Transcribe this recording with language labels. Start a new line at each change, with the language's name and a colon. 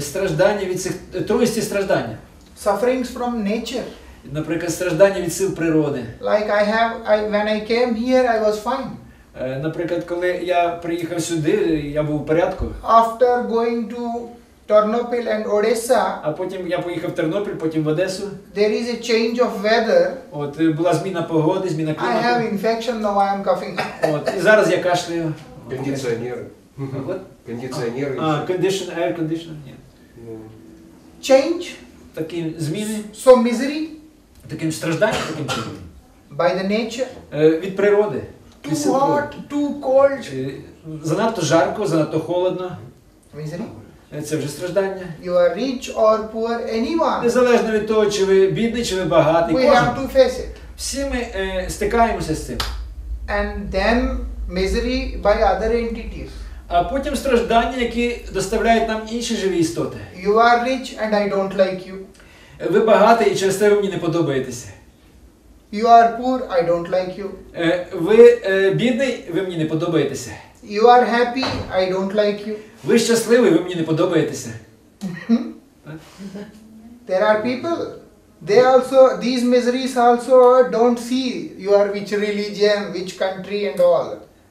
Ukrainian: Страждання від цих тройсті страждання.
English: Sufferings from nature.
Ukrainian: Наприклад, страждання від сил природи.
English: Like when I came here, I was fine.
Ukrainian: Наприклад, коли я приїхав сюди, я був у порядку.
English: After going to Тернопіль and Одеса.
Ukrainian: А потім я поїхав в Тернопіль, потім в Одесу.
English: There is a change of weather.
Ukrainian: От була зміна погоди, зміна клімату.
English: I have infection, now I am coughing.
Ukrainian: От і зараз я кашляю. Кондиціонер. Кондиціонер.
English: Air conditioner. Yeah. Change.
Ukrainian: Такі зміни.
English: So misery.
Ukrainian: Таким стражданням, таким чином.
English: By the nature.
Ukrainian: Від природи.
English: Too hot, too cold.
Ukrainian: Занадто жарко, занадто холодно.
English: Misery.
Ukrainian: Це вже страждання.
English: You are rich or poor, anyone.
Ukrainian: Незалежно від того, чи ви бідний, чи ви багатий.
English: We have to face it.
Ukrainian: Всі ми стикаємося з цим.
English: And then misery by other entities.
Ukrainian: А потім страждання, які доставляють нам інші живі істоти.
English: You are rich and I don't like you.
Ukrainian: Ви багатий, і через це ви мені не подобаєтеся.
English: You are poor, I don't like you.
Ukrainian: Ви бідний, ви мені не подобаєтеся.
English: You are happy, I don't like you.
Ukrainian: Ви щасливий, ви мені не подобаєтеся.
English: There are people, they also, these miseries also don't see you are which religion, which country and all.